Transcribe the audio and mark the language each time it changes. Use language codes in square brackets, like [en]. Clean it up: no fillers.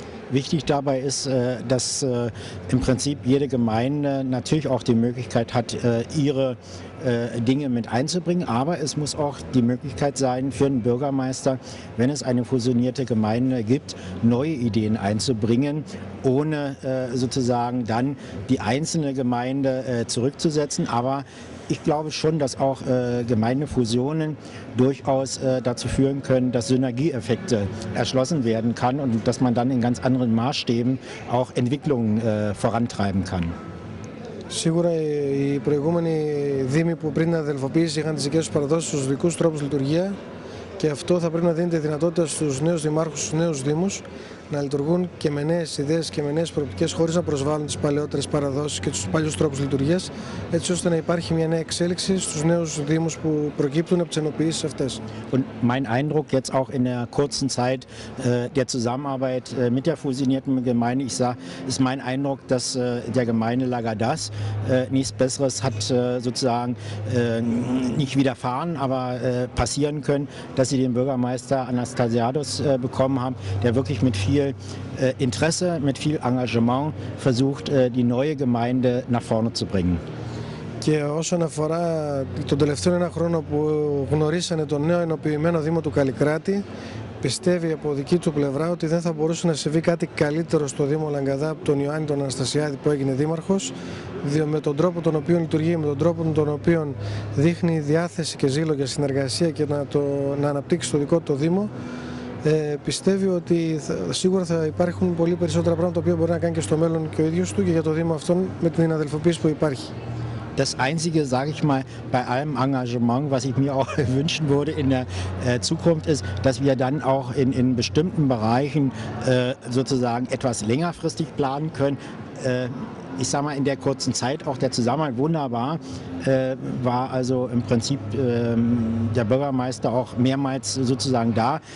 [de] Wichtig dabei ist, dass im Prinzip jede Gemeinde natürlich auch die Möglichkeit hat, ihre Dinge mit einzubringen, aber es muss auch die Möglichkeit sein für einen Bürgermeister, wenn es eine fusionierte Gemeinde gibt, neue Ideen einzubringen, ohne sozusagen dann die einzelne Gemeinde zurückzusetzen. Aber ich glaube schon, dass auch Gemeindefusionen durchaus dazu führen können, dass Synergieeffekte erschlossen werden kann und dass man dann in ganz anderen Maßstäben auch Entwicklungen vorantreiben kann. [el] Σίγουρα οι προηγούμενοι Δήμοι που πριν αδελφοποίηση είχαν τις δικές τους παραδόσεις, τους δικούς τους τρόπους λειτουργία, και αυτό θα πρέπει να δίνεται δυνατότητα στους νέους δημάρχους, στους νέους Δήμους, να λειτουργούν και με νέες ιδέες και με νέες προοπτικές, χωρίς να προσβάλλουν τις παλαιότερες παραδόσεις και τους παλιούς τρόπους λειτουργίας, έτσι ώστε να υπάρχει μια νέα εξέλιξη στους νέους δήμους που προκύπτουν από τις ενοποιήσεις αυτές. [de] Mein Eindruck jetzt auch in der kurzen Zeit der Zusammenarbeit mit der fusionierten Gemeinde, ich sah, ist mein Eindruck, dass der Gemeindelager das nichts Besseres hat sozusagen nicht widerfahren, aber passieren können, dass sie den Bürgermeister Anastasiados bekommen haben, der wirklich mit viel Interesse, mit viel Engagement versucht, die neue Gemeinde nach vorne zu bringen. [el] Και όσον αφορά τον τελευταίο ένα χρόνο που γνωρίσανε τον νέο ενοποιημένο Δήμο του Καλλικράτη, πιστεύει από δική του πλευρά ότι δεν θα μπορούσε να συμβεί κάτι καλύτερο στο Δήμο Λαγκαδά από τον Ιωάννη τον Αναστασιάδη που έγινε δήμαρχος, διότι με τον τρόπο τον οποίο λειτουργεί, με τον τρόπο τον οποίο δείχνει διάθεση και ζήλο για συνεργασία και να αναπτύξει το δικό του Δήμο, πιστεύει ότι σίγουρα θα υπάρχουν πολύ περισσότερα πράγματα τα οποία μπορεί να κάνει και στο μέλλον και ο ίδιος του και για το Δήμο αυτόν με την αδελφοποίηση που υπάρχει. [de] Das Einzige, sage ich mal, bei allem Engagement, was ich mir auch wünschen würde in der Zukunft, ist, dass wir dann auch in bestimmten Bereichen sozusagen etwas längerfristig planen können. Ich sage mal, in der kurzen Zeit auch der Zusammenhalt wunderbar, war also im Prinzip der Bürgermeister auch mehrmals sozusagen da.